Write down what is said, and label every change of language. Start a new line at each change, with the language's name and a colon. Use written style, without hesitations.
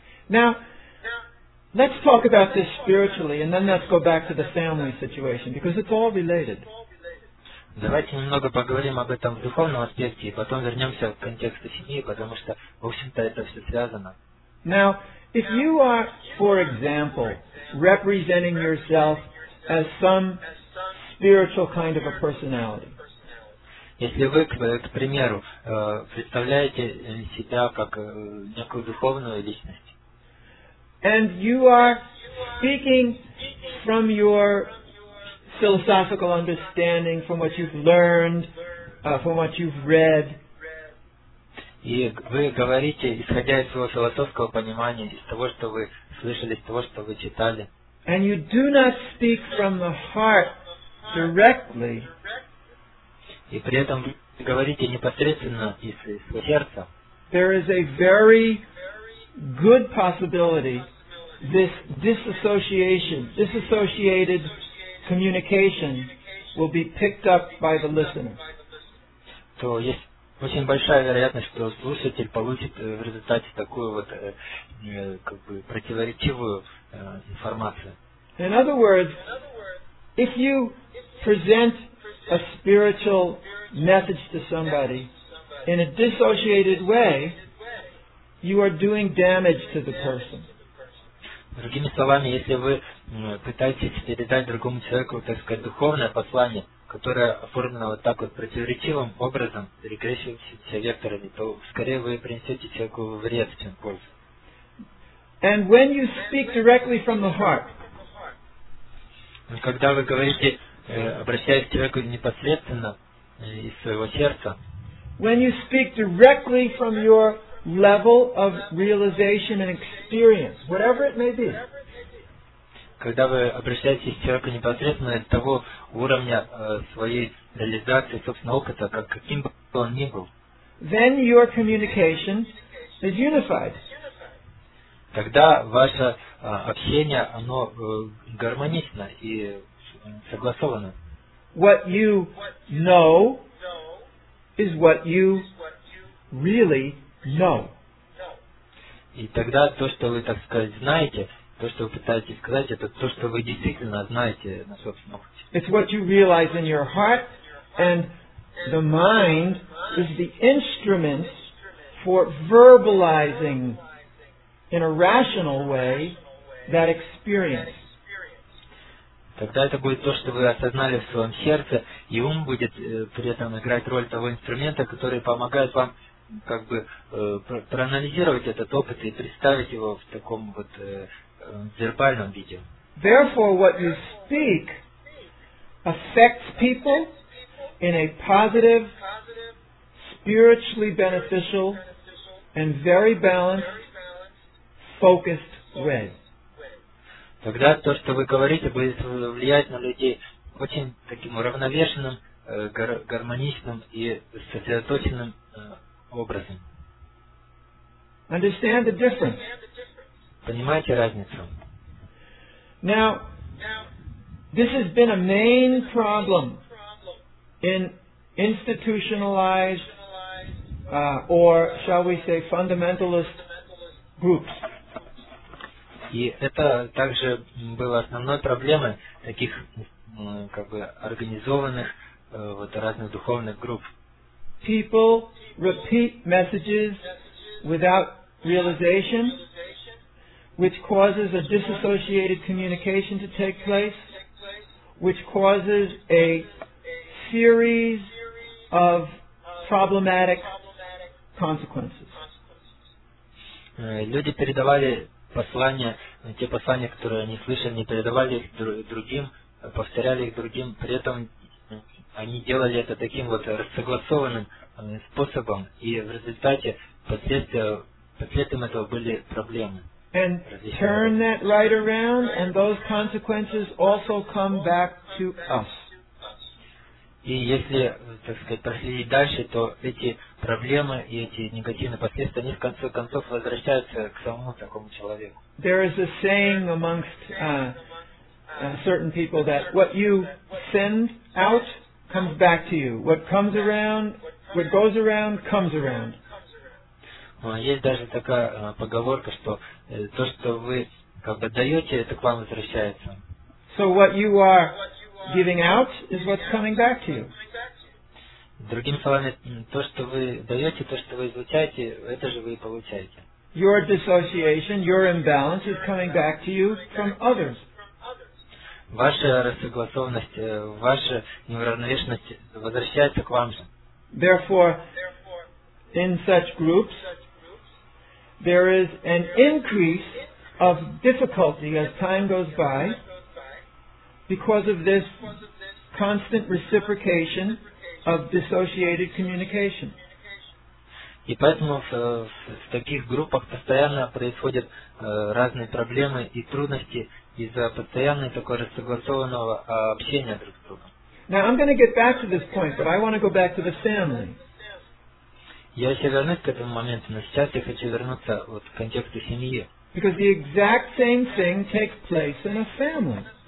English: Now, let's talk about this spiritually, and then let's go back to the family situation, because it's all related.
Russian: Давайте немного поговорим об этом в духовном аспекте, и потом вернемся к контексту семьи, потому что, в общем-то, это все связано.
English: Now, if you are, for example, representing yourself as some spiritual kind of a personality.
Russian: Если вы, к примеру, представляете себя как некую духовную личность.
English: And you are speaking from your philosophical understanding from what you've learned, from what you've read.
Russian: И вы говорите, исходя из своего философского понимания, из того, что вы слышали, из того, что вы читали.
English: And you do not speak from the heart directly.
Russian: И при этом вы говорите непосредственно из своего сердца.
English: There is a very good possibility this disassociation, disassociated communication will be picked up by the listener.
Russian: То есть очень большая вероятность, что слушатель получит в результате такую вот как бы противоречивую информацию.
English: In other words, if you present a spiritual message to somebody in a dissociated way, you are doing damage to the person.
Russian: Другими словами, если вы пытаетесь передать другому человеку, так сказать, духовное послание, которое оформлено вот так вот противоречивым образом, регрессивными векторами, то скорее вы принесете человеку вред, чем пользу.
English: And when you speak directly from the heart,
Russian: когда вы говорите, обращаясь к человеку непосредственно из своего сердца,
English: when you speak directly from your level of realization and experience, whatever it may be,
Russian: когда вы обращаетесь к человеку непосредственно из того уровня своей реализации собственного опыта, как каким бы он ни был,
English: then your communication is unified.
Russian: Тогда ваше общение, оно гармонично и согласовано.
English: What you know is what you really know.
Russian: И тогда то, что вы, так сказать, знаете, то, что вы пытаетесь сказать, это то, что вы действительно знаете на собственном опыте.
English: It's what you realize in your heart, and the mind is the instrument for verbalizing in a rational way that experience.
Russian: Тогда это будет то, что вы осознали в своем сердце, и ум будет при этом играть роль того инструмента, который помогает вам как бы проанализировать этот опыт и представить его в таком вот вербальном виде.
English: Therefore, what you speak affects people in a positive, spiritually beneficial and very balanced, focused way.
Russian: Тогда то, что вы говорите, будет влиять на людей очень таким уравновешенным, гармоничным и сосредоточенным образом.
English: Understand the difference.
Russian: Понимаете разницу?
English: Now, this has been a main problem in institutionalized or, shall we say, fundamentalist groups.
Russian: И это также было основной проблемой таких как бы организованных вот разных духовных групп.
English: People repeat messages without realization, which causes a disassociated communication to take place, which causes a series of problematic consequences.
Russian: Люди передавали послания, те послания, которые они слышали, не передавали их другим, повторяли их другим, при этом они делали это таким вот рассогласованным способом, и в результате последствием этого были проблемы.
English: And turn that right around, and those consequences also come back to us.
Russian: И если, так сказать, проследить дальше, то эти проблемы и эти негативные последствия, они в конце концов возвращаются к самому такому человеку.
English: There is a saying amongst certain people that what you send out comes back to you. What comes around, what goes around, comes around.
Russian: Есть даже такая поговорка, что то, что вы как бы даете, это к вам возвращается.
English: So what you are giving out is what's coming back to you.
Russian: Другими словами, то, что вы даете, то, что вы излучаете, это же вы и получаете.
English: Your dissociation, your imbalance is coming back to you from others.
Russian: Ваша рассогласованность, ваша неуравновешенность возвращается к вам же.
English: Therefore, in such groups, there is an increase of difficulty as time goes by, because of this constant reciprocation of dissociated communication.
Russian: И поэтому в таких группах постоянно происходят разные проблемы и трудности из-за постоянного такого рассогласованного общения друг с другом.
English: Now I'm going to get back to this point, but I want to go back to the family.
Russian: Я еще вернусь к этому моменту, но сейчас я хочу вернуться вот к контексту семьи.
English: Because the exact same thing takes place in a family.